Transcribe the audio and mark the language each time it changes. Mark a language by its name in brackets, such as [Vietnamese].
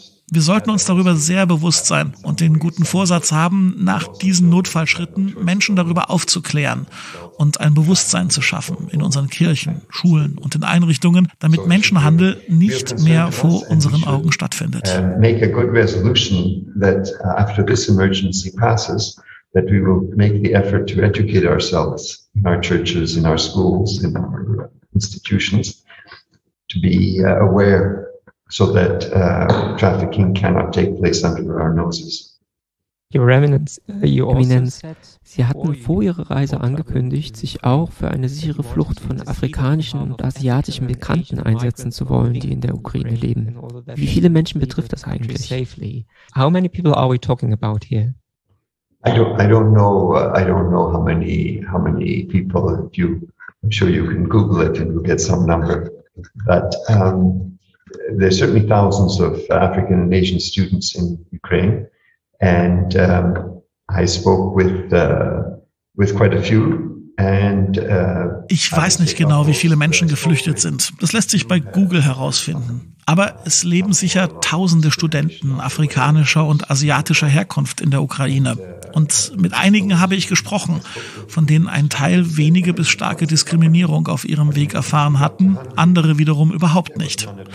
[German] Wir sollten uns darüber sehr bewusst sein und den guten Vorsatz haben, nach diesen Notfallschritten Menschen darüber aufzuklären und ein Bewusstsein zu schaffen in unseren Kirchen, Schulen und in Einrichtungen, damit Menschenhandel nicht mehr vor unseren Augen stattfindet. [English] Make a good resolution that after this emergency passes, that we will make the effort to educate ourselves in our churches, in our schools, in our institutions, to be aware so that trafficking cannot take place under our noses. Your Eminence, [German] Sie hatten vor Ihrer Reise angekündigt, sich auch für eine sichere Flucht von afrikanischen und asiatischen Migranten einsetzen zu wollen, die in der Ukraine leben. Wie viele Menschen betrifft das eigentlich? [English] How many people are we talking about here? I don't know how many people. I'm sure you can Google it and you'll get some number. But there's certainly thousands of African and Asian students in Ukraine, and I spoke with quite a few. And [German] ich weiß nicht genau, wie viele Menschen geflüchtet sind. Das lässt sich bei Google herausfinden. Aber es leben sicher tausende Studenten afrikanischer und asiatischer Herkunft in der Ukraine. Und mit einigen habe ich gesprochen, von denen ein Teil wenige bis starke Diskriminierung auf ihrem Weg erfahren hatten, andere wiederum überhaupt nicht.